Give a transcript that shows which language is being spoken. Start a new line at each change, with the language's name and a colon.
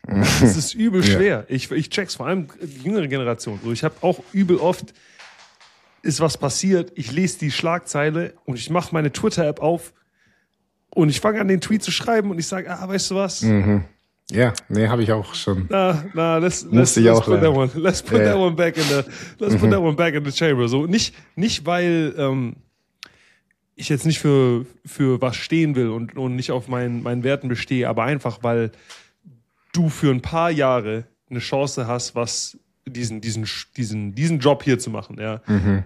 German: Das ist übel schwer. Ja. Ich check's, vor allem die jüngere Generation. Ich habe auch übel oft, ist was passiert, ich lese die Schlagzeile und ich mache meine Twitter-App auf. Und ich fange an, den Tweet zu schreiben und ich sage, ah, weißt du was? Mm-hmm. Ja, nee, habe ich auch schon.
English: Na, let's put that one back in the chamber.
German: So, nicht weil ich jetzt nicht für was stehen will und nicht auf meinen Werten bestehe, aber einfach, weil du für ein paar Jahre eine Chance hast, was diesen Job hier zu machen. Ja? Mm-hmm.